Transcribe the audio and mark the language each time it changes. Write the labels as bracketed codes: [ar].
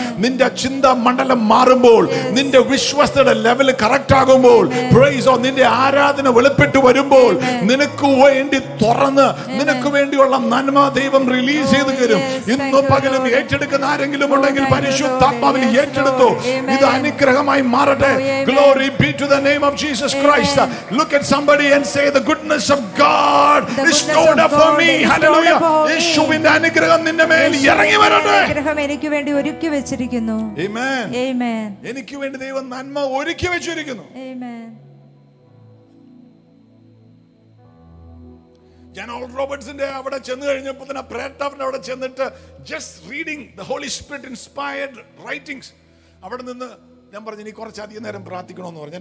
[ml] നിന്റെ ചിന്താ മണ്ഡലം മാറുമ്പോൾ, നിന്റെ വിശ്വാസത്തിന്റെ ലെവൽ കറക്റ്റ് ആകുമ്പോൾ, നിന്റെ ആരാധന വെളിപ്പെട്ട് വരുമ്പോൾ, നിനക്ക് വേണ്ടി തുറന്ന് നിനക്ക് വേണ്ടിയുള്ള നന്മ ദൈവം റിലീസ് ചെയ്ത് തരും. ഇന്ന് പകലും ഏറ്റെടുക്കുന്ന ആരെങ്കിലും ഉണ്ടെങ്കിൽ പരിശുദ്ധാത്മാവിൽ ഏറ്റെടുത്തു. ഇത് അനുഗ്രഹമായി മാറട്ടെ. [en] Glory be to the name of Jesus Christ. Look at somebody and say, the goodness of God is stored up for me. Hallelujah. [ml] യേശുവിന്റെ അനുഗ്രഹം നിന്റെ മേൽ ഇറങ്ങി വരട്ടെ. അനുഗ്രഹം എനിക്ക് വേണ്ടി ഒരുക്കി വെച്ചിരിക്കുന്നു. [en] Amen. Amen. [ml] എനിക്ക് വേണ്ടി ദൈവം നന്മ ഒരുക്കി വെച്ചിരിക്കുന്നു. [en] Amen. [ml] ജനറൽ റോബർട്സിന്റെ അവിടെ ചെന്ന് കഴിഞ്ഞപ്പോൾ തന്നെ പ്രേതാവിന്റെ അവിടെ ചെന്നിട്ട് [en] just reading the Holy Spirit inspired writings [ml] അവിടെ നിന്ന് ഞാൻ പറഞ്ഞു, ഇനി കുറച്ചധികം നേരം പ്രാർത്ഥിക്കണമെന്ന് പറഞ്ഞു.